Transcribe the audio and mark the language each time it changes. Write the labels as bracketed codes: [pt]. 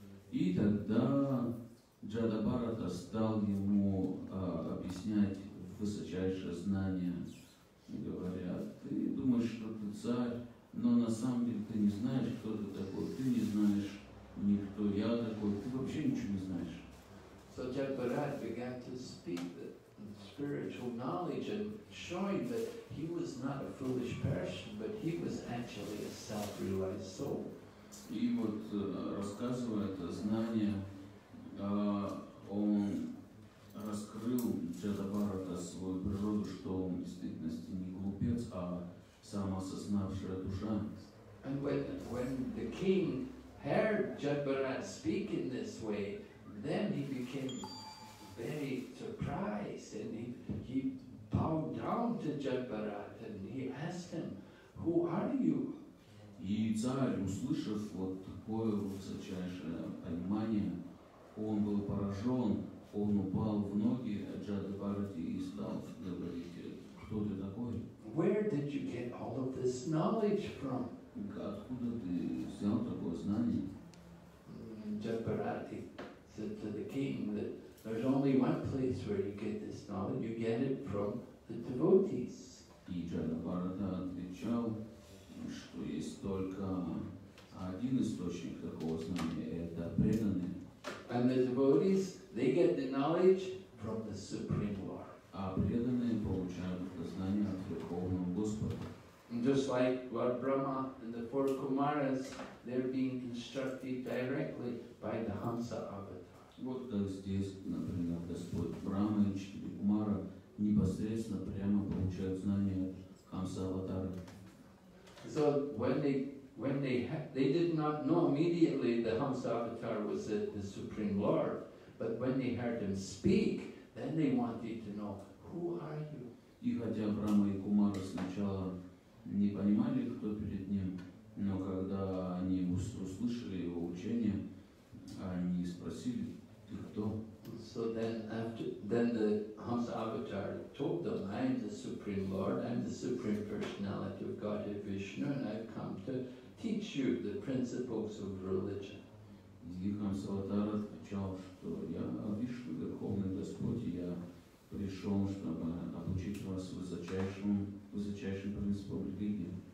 [ru] И тогда Джада Бхарата стал ему объяснять высочайшее знание, говоря, ты думаешь, что ты царь? Но на самом деле ты не знаешь, кто ты такой, ты не знаешь никто, я такой, ты вообще ничего не знаешь. [en] So Jad Bharat began to speak the spiritual knowledge and showing that he was not a foolish person, but he was actually a self-realized soul. [ru] И вот рассказывая это знание, он раскрыл Джада Бхарата свою природу, что он в действительности не глупец, а самоосознавшая душа. [en] And when the king heard Jad Bharat speak in this way, then he became very surprised, and he bowed down to Jad Bharat, and he asked him, who are you? [ru] И царь, услышав вот такое высочайшее понимание, он был поражен, он упал в ноги Джад Бхарате и стал говорить, кто ты такой? [en] Where did you get all of this knowledge from? [ru] Откуда ты взял такое знание? [en] Jad Bharat said to the king that there's only one place where you get this knowledge. You get it from the devotees. [ru] И Джад Бхарата отвечал, что есть только один источник такого знания, это преданные. [en] And the devotees, they get the knowledge from the Supreme Lord. [ru] А преданные получают знания от Верховного Господа. [en] Just like Lord Brahma and the four Kumaras, they're being instructed directly by the Hamsa Avatar. [ru] Вот как здесь, например, Господь Брама и четыре Кумара непосредственно прямо получают знания от Хамса Аватара. [en] So when they did not know immediately the Hamsa Avatar was the Supreme Lord, but when they heard him speak, then they wanted to know, who are you? [ru] И хотя Брама и Кумара сначала не понимали, кто перед ним, но когда они услышали его учение, они спросили, ты кто? [en] So then the Hamsa Avatar told them, I am the Supreme Lord, I am the Supreme Personality of Godhead Vishnu, and I've come to teach you the principles of religion. [ru] И Хамса Аватар отвечал, что я Вишну, Верховный Господь, я пришел, чтобы обучить вас высочайшему высочайшим принципом религии.